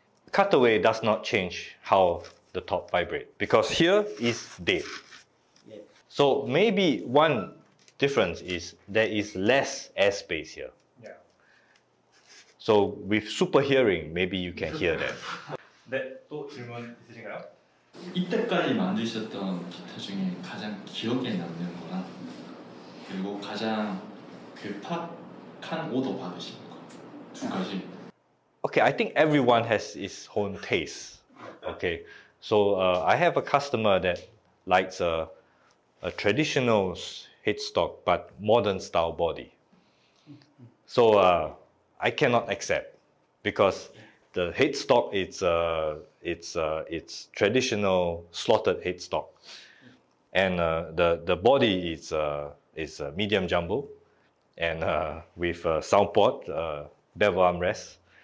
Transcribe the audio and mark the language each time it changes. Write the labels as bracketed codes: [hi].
[en] Cutaway does not change how the top vibrates because here is dead. Yeah. So maybe one difference is there is less air space here. Yeah. So with super hearing, maybe you can hear that. [ko] 네, 또 질문 있으신가요? 이때까지 만드셨던 기타 중에 가장 기억에 남는 거나 그리고 가장 급박한 오더 받으신 거 두 가지. [en] Okay, I think everyone has his own taste. Okay, so I have a customer that likes a traditional headstock but modern style body. So I cannot accept because the headstock it's traditional slotted headstock, and the body is a medium jumbo, and with a sound port, bevel armrest.